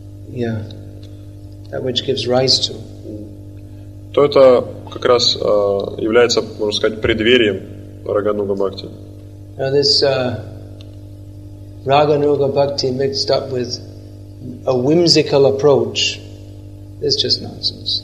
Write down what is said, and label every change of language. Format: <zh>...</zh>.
<en>That which gives rise to.</en> <ru>То это как раз является, можно сказать, преддверием Рагануга Бхакти.</ru> <en>Now this Rāganuga Bhakti mixed up with a whimsical approach is just nonsense.</en>